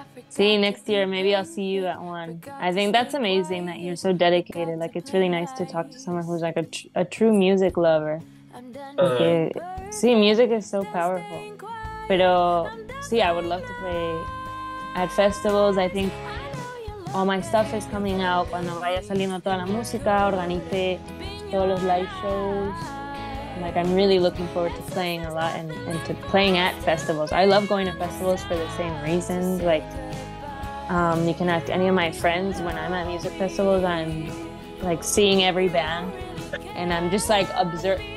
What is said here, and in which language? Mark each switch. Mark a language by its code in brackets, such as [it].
[en] See, next year, maybe I'll see you at one. I think that's amazing that you're so dedicated. Like, it's really nice to talk to someone who's like a true music lover. [es] Porque, sí, [en] music is so powerful. [es] Pero, sí, [en] I would love to play at festivals. I think all my stuff is coming out. [es] Cuando vaya saliendo toda la música, organice todos los [en] live shows. Like, I'm really looking forward to playing a lot and to playing at festivals. I love going to festivals for the same reasons. Like, you can ask any of my friends when I'm at music festivals, I'm like seeing every band and I'm just like observe.